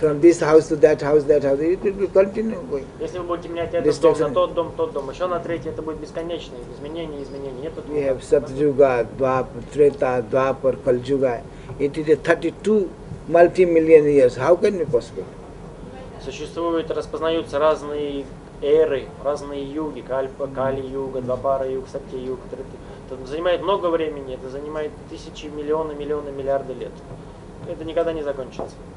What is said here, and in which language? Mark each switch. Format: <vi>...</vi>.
<en>From this house to that house, it will continue going.</en> <ru>Если вы будете менять этот дом, тот дом, еще на третий, это будет бесконечное изменение. Нет.</ru> <en>We have Satyuga, Dwapar, Treta, Dwapar, Kaljuga. It is a 32 multi-million years. How can it possible?</en> <ru>Существуют, распознаются разные эры, разные юги, Кальпа, Кали-юга, Двапара-юг, Сатья-юг. Это занимает много времени, это занимает тысячи, миллионы, миллиарды лет. Это никогда не закончится.</ru>